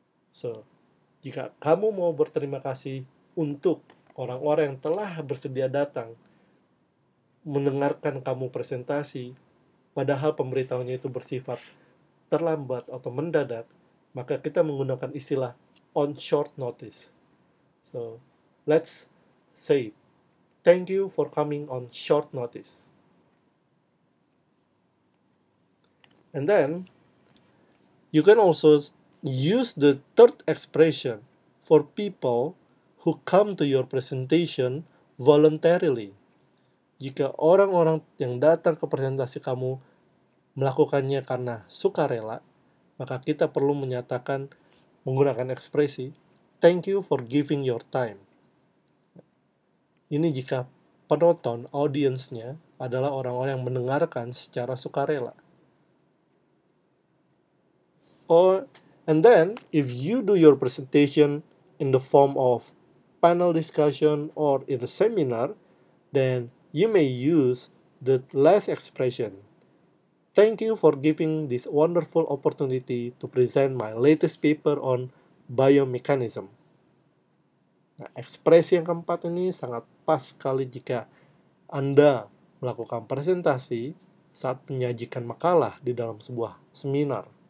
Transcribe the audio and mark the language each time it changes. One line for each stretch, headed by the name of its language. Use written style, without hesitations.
Indonesian: So jika kamu mau berterima kasih untuk orang-orang yang telah bersedia datang mendengarkan kamu presentasi, padahal pemberitahuannya itu bersifat terlambat atau mendadak, maka kita menggunakan istilah
English: on short notice. So let's say thank you for coming on short notice. And then you can also use the third expression for people who come to your presentation voluntarily.
Indonesian: Jika orang-orang yang datang ke presentasi kamu melakukannya karena sukarela, maka kita perlu menyatakan menggunakan ekspresi
English: thank you for giving your time.
Indonesian: Ini jika penonton, audience-nya adalah orang-orang yang mendengarkan secara sukarela.
English: Or, and then, if you do your presentation in the form of panel discussion or in a seminar, then you may use the last expression. Thank you for giving this wonderful opportunity to present my latest paper on biomechanism.
Indonesian: Nah, ekspresi yang keempat ini sangat pas sekali jika Anda melakukan presentasi saat menyajikan makalah di dalam sebuah seminar.